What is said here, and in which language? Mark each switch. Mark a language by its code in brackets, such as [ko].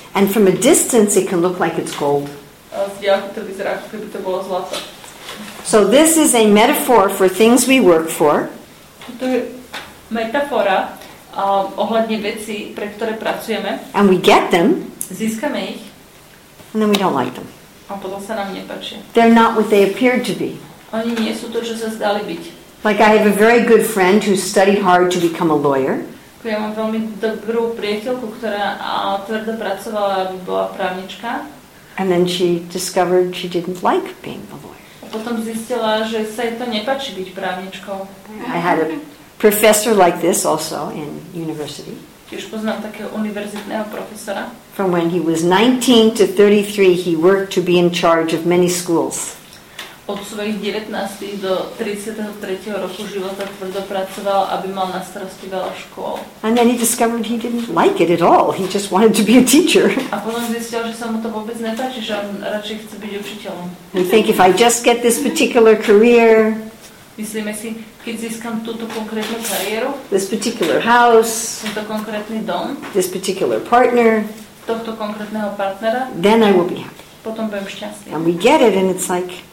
[en] And from a distance it can look like it's gold. [sk] A z diaľky to vyzerá, ako keby to bolo zlato. [en] So this is a metaphor for things we work for. [sk] To je metafora ohľadne veci, pre ktoré pracujeme. [en] And we get them. [sk] Získame ich. [en] And then we don't like them. [sk] A potom sa nám nepáči. [en] They're not what they appeared to be. [sk] Oni nie sú to, čo sa zdali byť. [en] Like I have a very good friend who studied hard to become a lawyer. [sk] Ja mám veľmi dobrú priateľku, ktorá tvrdo pracovala, aby bola právnička. [en] And then she discovered she didn't like being a lawyer. [sk] A potom zistila, že sa jej to nepáči byť právničkou. [en] I had a professor like this also in university. [sk] Tiež poznám takého univerzitného profesora. [en] From when he was 19 to 33, he worked to be in charge of many schools. [sk] Od svojich 19 do 33 roku života tvrdo pracoval, aby mal na starosti veľa škôl. [en] And then he discovered he didn't like it at all. He just wanted to be a teacher. [sk] A potom zistil, že sa mu to vôbec nepáči, že on radšej chce byť učiteľom. [en] You think if I just get this particular career, [sk] Myslíme si, keď získam túto konkrétnu kariéru, [en] this particular house, [sk] tento konkrétny dom, [en] this particular partner, [sk] tohto konkrétneho partnera, [en] then I will be happy. [sk] Potom budem šťastný. [en] And we get it and it's like,